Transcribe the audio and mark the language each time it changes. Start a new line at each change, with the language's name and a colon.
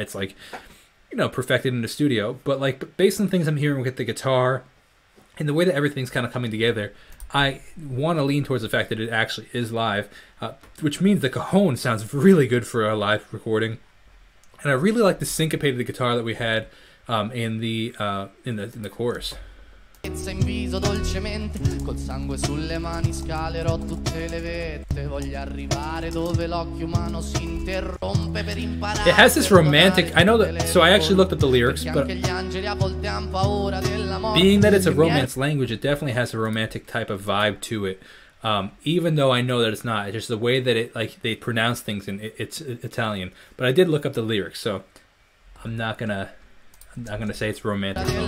English: It's like, you know, perfected in a studio. But like, based on things I'm hearing with the guitar, and the way that everything's kind of coming together, I want to lean towards the fact that it actually is live, which means the cajon sounds really good for a live recording. And I really like the syncopate of the guitar that we had in the chorus.
Italian: In viso dolcemente col sangue sulle mani scalerò tutte le vette voglio arrivare dove l'occhio umano si interrompe per imparare.
English: It has this romantic, I know that, so I actually looked at the lyrics, but being that it's a romance language, it definitely has a romantic type of vibe to it. Even though I know that it's not, it's just the way that it, like, they pronounce things in it's Italian. But I did look up the lyrics, so I'm not gonna say it's romantic.